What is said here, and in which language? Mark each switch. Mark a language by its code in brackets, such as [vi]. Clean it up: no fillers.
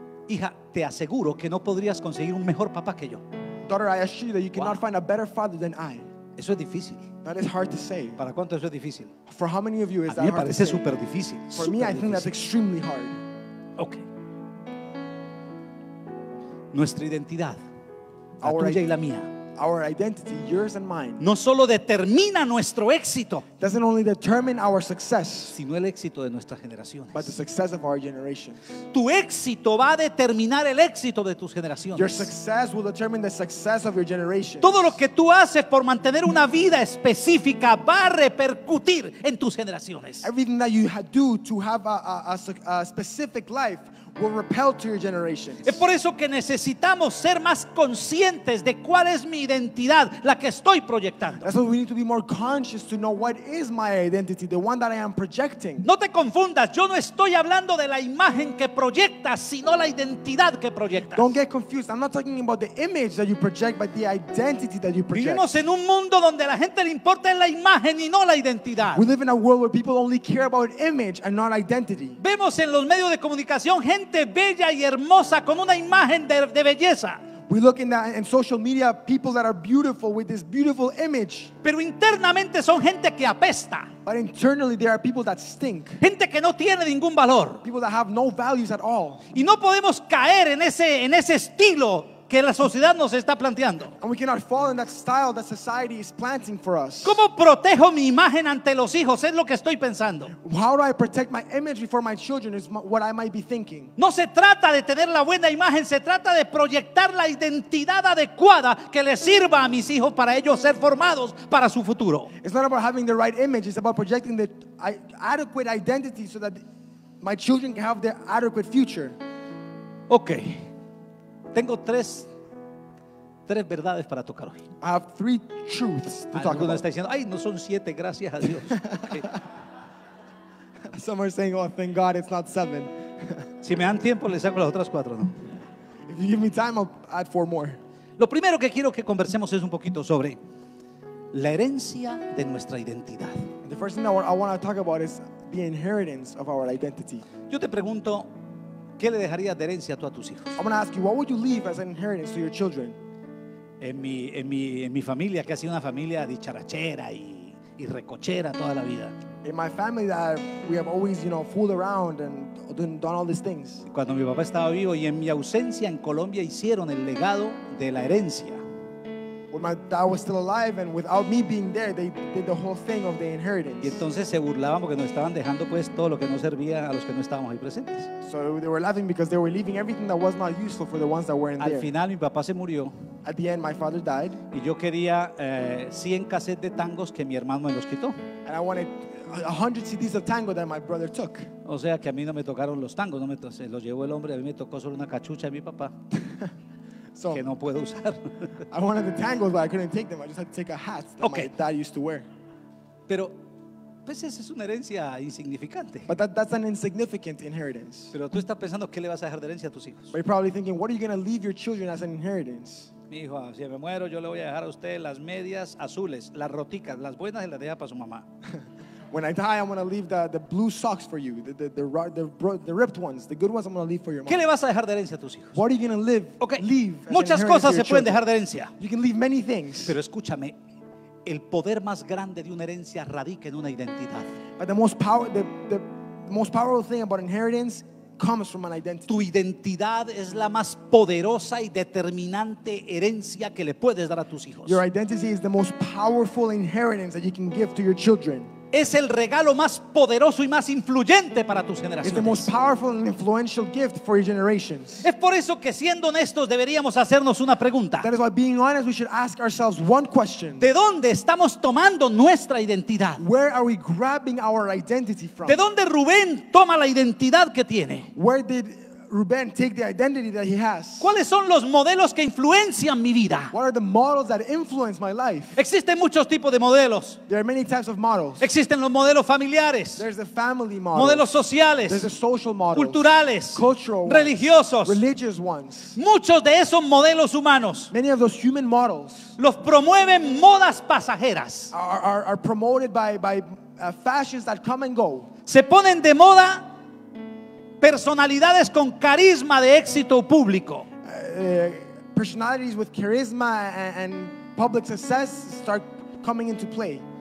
[es] Hija, te aseguro que no podrías conseguir un mejor papá que yo. [en] Daughter, I assure you that you cannot find a better father than I. [es] Eso es difícil. [en] That is hard to say. [es] ¿Para cuánto eso es difícil? [en] For how many of you is that hard? [es] A mí parece súper difícil. [en] For me, I think that's extremely hard. Okay. [es] Nuestra identidad, la tuya y la mía. [en] Our identity, yours and mine, [es] no solo determina nuestro éxito, [en] doesn't only determine our success, [es] sino el éxito de nuestras generaciones, [en] but the success of our generations. [es] Tu éxito va a determinar el éxito de tus generaciones. [en] Your success will determine the success of your generations. [es] Todo lo que tú haces por mantener una vida específica va a repercutir en tus generaciones. [en] Everything that you do to have a specific life will repel to your generations. [es] Es por eso que necesitamos ser más conscientes de cuál es mi identidad, la que estoy proyectando. [en] That's why we need to be more conscious to know what is my identity, the one that I am projecting. [es] No te confundas, yo no estoy hablando de la imagen que proyectas, sino la identidad que proyectas. [en] Don't get confused. I'm not talking about the image that you project, but the identity that you project. [es] Vivimos en un mundo donde a la gente le importa la imagen y no la identidad. [en] We live in a world where people only care about image and not identity. [es] Vemos en los medios de comunicación gente bella y hermosa con una imagen de belleza. [en] We look in social media, people that are beautiful with this beautiful image. [es] Pero internamente son gente que apesta. [en] But internally there are people that stink. [es] Gente que no tiene ningún valor. [en] People that have no values at all. [es] Y no podemos caer en ese estilo que la sociedad nos está planteando. [en] And we cannot fall in that style that society is planting for us. [es] ¿Cómo protejo mi imagen ante los hijos? Es lo que estoy pensando. [en] How do I protect my image before my children is what I might be thinking. [es] No se trata de tener la buena imagen, se trata de proyectar la identidad adecuada que le sirva a mis hijos para ellos ser formados para su futuro. [en] It's not about having the right image, it's about projecting the adequate identity so that my children can have their adequate future. [es] Okay. Tengo tres verdades para tocar hoy. [en] I have three truths to talk about. [es] Algunos están diciendo, ay, no son siete, gracias a Dios. [en] Okay. Some are saying, oh, thank God, it's not seven. [es] Si me dan tiempo, les saco las otras cuatro, ¿no? [en] If you give me time, I'll add four more. [es] Lo primero que quiero que conversemos es un poquito sobre la herencia de nuestra identidad. [en] The first thing that I want to talk about is the inheritance of our identity. [es] Yo te pregunto, ¿qué le dejarías de herencia tú a tus hijos? [en] I'm going to ask you, what would you leave as an inheritance to your children? [es] En mi familia, que ha sido una familia dicharachera y recochera toda la vida. [en] In my family that we have always, you know, fooled around and done all these things. [es] Cuando mi papá estaba vivo y en mi ausencia en Colombia hicieron el legado de la herencia. [en] When my dad was still alive and without me being there, they did the whole thing of the inheritance. [es] Y entonces se burlaban porque nos estaban dejando pues todo lo que no servía a los que no estábamos ahí presentes. [en] So they were laughing because they were leaving everything that was not useful for the ones that weren't [es] Al [en] there. [es] Al final mi papá se murió. [en] At the end my father died. [es] Y yo quería 100 cassettes de tangos que mi hermano me los quitó. [en] And I wanted 100 CDs of tango that my brother took. [es] O sea que a mí no me tocaron los tangos, no me tocó, se los llevó el hombre, a mí me tocó solo una cachucha de mi papá. [en] So, [es] que no puedo usar. [en] I wanted the tangles, but I couldn't take them. I just had to take a hat that My dad used to wear. [es] Pero, pues esa es una herencia insignificante. [en] But that's an insignificant inheritance. [es] Pero tú estás pensando qué le vas a dejar de herencia a tus hijos. [en] But you're probably thinking, what are you going to leave your children as an inheritance? [es] Mi hijo, si me muero, yo le voy a dejar a usted las medias azules, las roticas, las buenas, y las deja para su mamá. [en] When I die, I'm going to leave the blue socks for you, the ripped ones, the good ones. I'm going to leave for your mom. [es] ¿Qué le vas a dejar de herencia a tus hijos? [en] What are you going to leave? Okay. Leave. [es] Muchas cosas se pueden dejar de herencia. [en] You can leave many things. [es] Pero escúchame, el poder más grande de una herencia radica en una identidad. [en] But the most powerful thing about inheritance comes from an identity. [es] Tu identidad es la más poderosa y determinante herencia que le puedes dar a tus hijos. [en] Your identity is the most powerful inheritance that you can give to your children. [es] Es el regalo más poderoso y más influyente para tus generaciones. [en] It's the most powerful and influential gift for your generations. [es] Es por eso que, siendo honestos, deberíamos hacernos una pregunta. [en] That is why, being honest, we should ask ourselves one question. [es] ¿De dónde estamos tomando nuestra identidad? [en] Where are we grabbing our identity from? [es] ¿De dónde Rubén toma la identidad que tiene? [en] Where did Rubén take the identity that he has? [es] ¿Cuáles son los modelos que influencian mi vida? [en] What are the models that influence my life? [es] Existen muchos tipos de modelos. [en] There are many types of models. [es] Existen los modelos familiares. [en] There's the family models. [es] Modelos sociales. [en] There's the social models. [es] Culturales. [en] Cultural ones. [es] Religiosos. [en] Religious ones. [es] Muchos de esos modelos humanos. [en] Many of those human models. [es] Los promueven modas pasajeras. [en] Are promoted by fashions that come and go. [es] Se ponen de moda personalidades con carisma de éxito público. [en] Personalities with charisma and public success start coming into play.